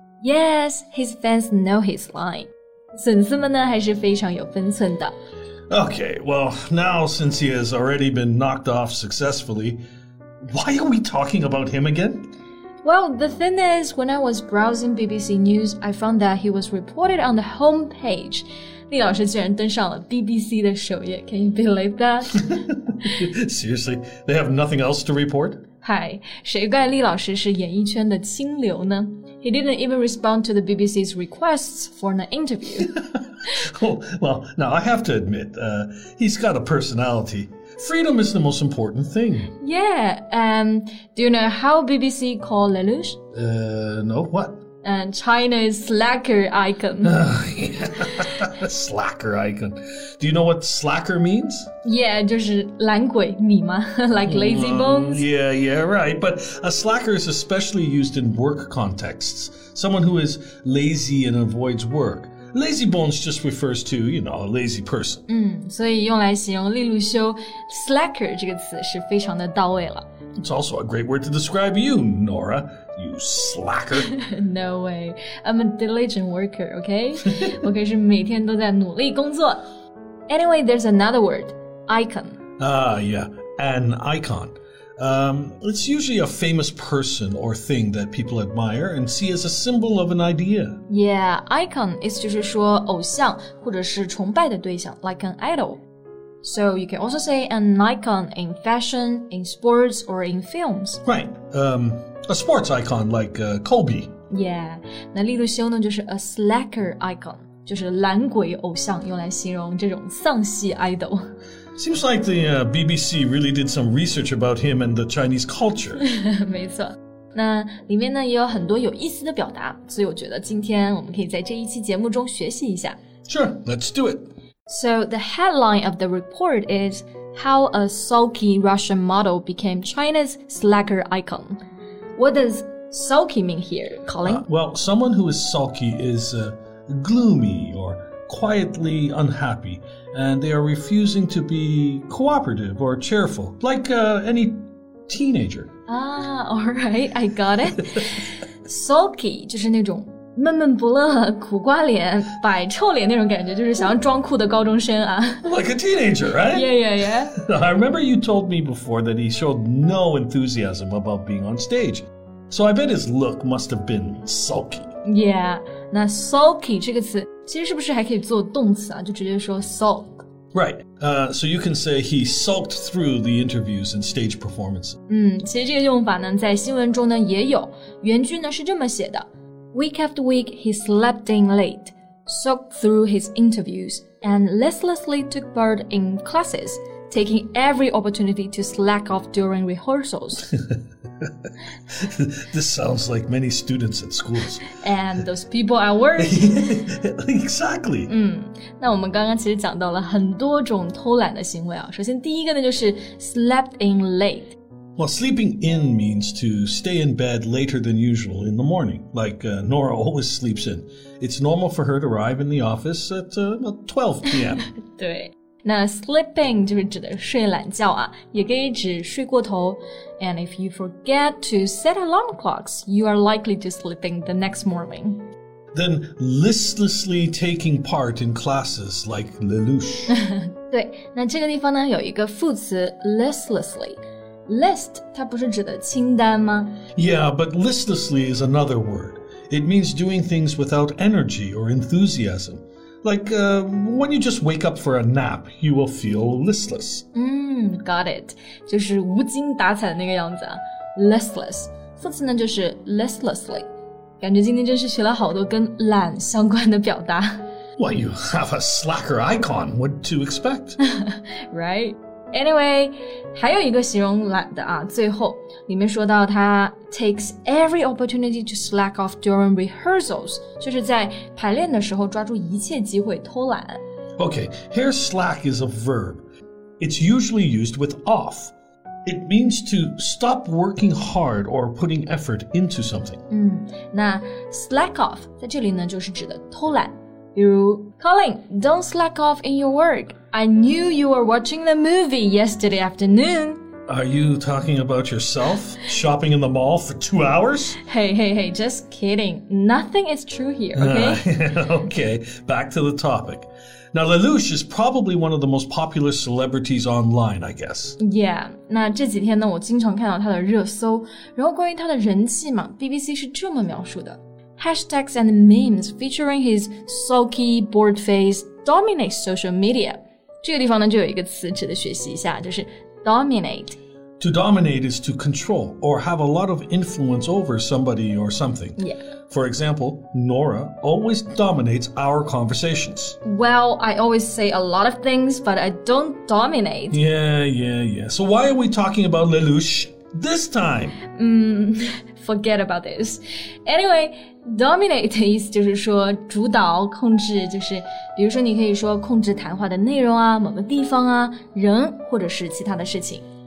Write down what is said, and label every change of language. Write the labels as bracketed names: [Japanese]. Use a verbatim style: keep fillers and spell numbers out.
[English] Yes, his fans know his line. [Chinese] 粉丝们呢还是非常有分寸的。 [English] Okay, well, now since he has already been knocked off successfully, why are we talking about him again? Well, the thing is, when I was browsing B B C News, I found that he was reported on the homepage. [Chinese] 李老师居然登上了 B B C 的首页 [English] Can you believe that? Seriously, they have nothing else to report? Hi, [Chinese] 谁怪李老师是演艺圈的清流呢 [English] He didn't even respond to the B B C's requests for an interview. oh, well, now I have to admit, uh, he's got a personality. Freedom is the most important thing. Yeah, um, do you know how B B C called Lelouch? Uh, no, what? Uh, China's slacker icon. slacker icon. Do you know what slacker means? Yeah, [Chinese] 就是懒鬼你吗 [English] like lazy bones. Um, yeah, yeah, right. But a slacker is especially used in work contexts. Someone who is lazy and avoids work. Lazy bones just refers to, you know, a lazy person. [Chinese] 嗯，所以用来形容利路修 slacker 这个词是非常的到位了。 [English] It's also a great word to describe you, Nora. You slacker. No way. I'm a diligent worker, okay? [Chinese] 我可是每天都在努力工作。 [English] Anyway, there's another word, icon. Ah, yeah, an icon. Um, it's usually a famous person or thing that people admire and see as a symbol of an idea. Yeah, icon is [Chinese] 就是说偶像或者是崇拜的对象 [English] like an idol. So you can also say an icon in fashion, in sports, or in films. Right, um, a sports icon like uh, Kobe. [Chinese] Yeah, 那利路修呢就是 [English] a slacker icon, [Chinese] 就是懒鬼偶像用来形容这种丧气 idol. [English] Seems like the、uh, B B C really did some research about him and the Chinese culture. [Chinese] 没错，那里面呢也有很多有意思的表达，所以我觉得今天我们可以在这一期节目中学习一下。 [English] Sure, let's do it. So the headline of the report is How a Sulky Russian Model Became China's Slacker Icon. What does sulky mean here, Colin? Uh, well, someone who is sulky is、uh, gloomy or... quietly unhappy, and they are refusing to be cooperative or cheerful, like uh, any teenager. Ah, all right, I got it. [Chinese] Sulky 就是那种闷闷不乐、苦瓜脸、摆臭脸那种感觉，就是想要装酷的高中生啊。 [English] Like a teenager, right? Yeah, yeah, yeah. I remember you told me before that he showed no enthusiasm about being on stage, so I bet his look must have been sulky. [Chinese] Yeah, 那 sulky 这个词其实是不是还可以做动词啊？就直接说 sulk. [English] Right. Uh, so you can say he sulked through the interviews and stage performances. [Chinese] 嗯，其实这个用法呢，在新闻中呢也有。原句呢是这么写的 [English] ：Week after week, he slept in late, sulked through his interviews, and listlessly took part in classes, taking every opportunity to slack off during rehearsals. This sounds like many students at schools. And those people at work. Exactly. [Chinese] 嗯，那我们刚刚其实讲到了很多种偷懒的行为啊。首先第一个呢就是 slept in late. [English] Well, sleeping in means to stay in bed later than usual in the morning. Like uh, Nora always sleeps in. It's normal for her to arrive in the office at uh, twelve p.m. [Chinese] 对。那 sleeping 就是指的睡懒觉啊，也可以指睡过头 [English] and if you forget to set alarm clocks, you are likely to sleep in the next morning. Then listlessly taking part in classes like Lelouch. [Chinese] 对，那这个地方呢有一个副词 listlessly. List 它不是指的清单吗 [English] Yeah, but listlessly is another word. It means doing things without energy or enthusiasm. Like, uh, when you just wake up for a nap, you will feel listless. Mm, got it. [Chinese] 就是无精打采的那个样子啊。Listless. 副词呢就是 listlessly. 感觉今天真是学了好多跟懒相关的表达。 [English] Well, you have a slacker icon. What to expect? Right? [Chinese] Anyway, 还有一个形容懒的啊，最后里面说到他 [English] takes every opportunity to slack off during rehearsals， [Chinese] 就是在排练的时候抓住一切机会偷懒。 [English] Okay, here slack is a verb. It's usually used with off. It means to stop working hard or putting effort into something. [Chinese] 嗯，那 slack off 在这里呢，就是指的偷懒。 [English] 比如 Colin, don't slack off in your work. I knew you were watching the movie yesterday afternoon. Are you talking about yourself? Shopping in the mall for two hours? Hey, hey, hey, just kidding. Nothing is true here, okay? Uh, okay, back to the topic. Now, Lelouch is probably one of the most popular celebrities online, I guess. [Chinese] Yeah, 那这几天呢，我经常看到他的热搜，然后关于他的人气嘛 ，B B C 是这么描述的 ： [English] hashtags and memes featuring his sulky, bored face dominate social media. [Chinese] 这个地方呢，就有一个词值得学习一下，就是 dominate. [English] To dominate is to control or have a lot of influence over somebody or something. Yeah. For example, Nora always dominates our conversations. Well, I always say a lot of things, but I don't dominate. Yeah, yeah, yeah. So why are we talking about Lelouch this time? Mm, forget about this. [Chinese] Anyway, dominate 的意思就是说主导、控制，就是比如说你可以说控制谈话的内容啊、某个地方啊、人或者是其他的事情。